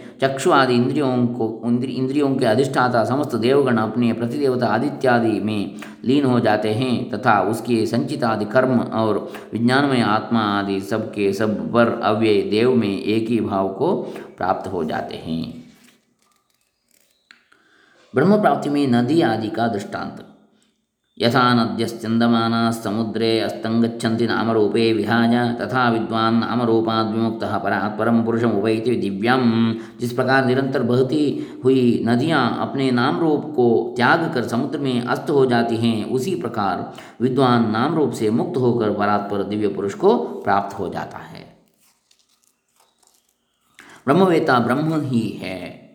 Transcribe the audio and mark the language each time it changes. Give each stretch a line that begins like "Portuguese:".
Hindi: चक्षु आदि इंद्रियों को इंद्रियों के अधिष्ठाता समस्त देवगण अपने प्रतिदेवता आदित्यादि में लीन हो जाते हैं तथा उसके संचितादि कर्म और विज्ञानमय आत्मा आदि सबके सब पर अव्यय देव में एक ही भाव को प्राप्त हो जाते हैं। ब्रह्म प्राप्ति में नदी आदि का दृष्टांत।
Sanskrit: यथा नद्यश्चन्दमानाः समुद्रे अस्तङ्गच्छन्ति नामरूपे विहाय तथा विद्वान् नामरूपाद् विमुक्तः परात्परम पुरुषम् उपैति दिव्यम्।
Hindi: जिस प्रकार निरंतर बहती हुई नदियाँ अपने नाम रूप को त्याग कर समुद्र में अस्त हो जाती हैं उसी प्रकार विद्वान नाम रूप से मुक्त होकर परात्पर दिव्य पुरुष को प्राप्त हो जाता है। ब्रह्मवेत्ता ब्रह्म ही है।